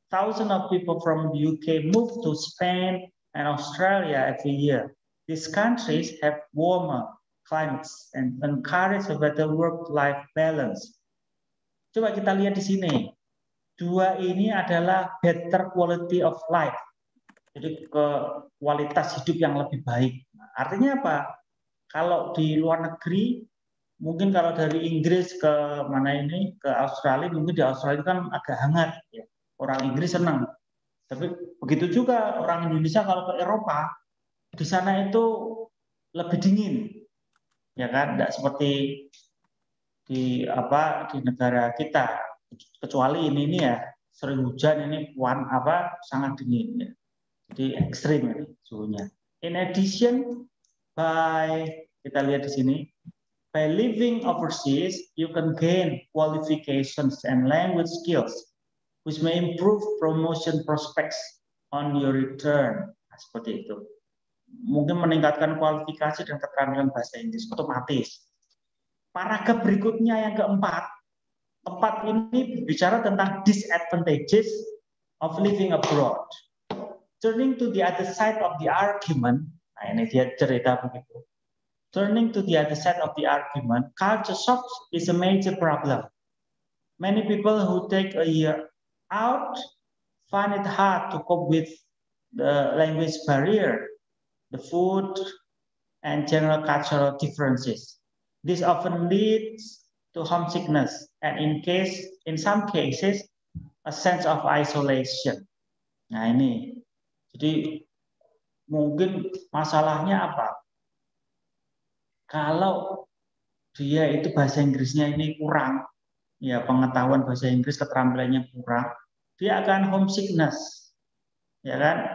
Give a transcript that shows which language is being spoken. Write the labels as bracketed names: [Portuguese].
[English] Thousands of people from the UK move to Spain and Australia every year. These countries have warmer climates and encourage a better work-life balance. [Indonesian] Coba kita lihat di sini. Dua ini adalah [English] better quality of life. [Indonesian] Jadi kualitas hidup yang lebih baik. Artinya apa? Kalau di luar negeri, mungkin kalau dari Inggris ke mana ini, ke Australia, mungkin di Australia kan agak hangat. Ya. Orang Inggris senang. Tapi begitu juga orang Indonesia kalau ke Eropa, di sana itu lebih dingin. Ya kan? Tidak seperti di negara kita. Kecuali ini ya, sering hujan ini sangat dingin. Ya. Jadi ekstrim suhunya. [English] In addition, by [Indonesian] kita lihat di sini, [English] by living overseas, you can gain qualifications and language skills, which may improve promotion prospects on your return. [Indonesian] Seperti itu. Mungkin meningkatkan kualifikasi dan keterampilan bahasa Inggris otomatis. Paragraf berikutnya yang keempat, keempat ini bicara tentang [English] disadvantages of living abroad. Turning to the other side of the argument, [Indonesian] nah ini dia cerita begitu. [English] Turning to the other side of the argument, culture shock is a major problem. Many people who take a year out find it hard to cope with the language barrier, the food, and general cultural differences. This often leads to homesickness, and in some cases, a sense of isolation. [Indonesian] Nah ini, jadi mungkin masalahnya apa? Kalau dia itu bahasa Inggrisnya ini kurang, ya pengetahuan bahasa Inggris, keterampilannya kurang, dia akan homesickness, ya kan?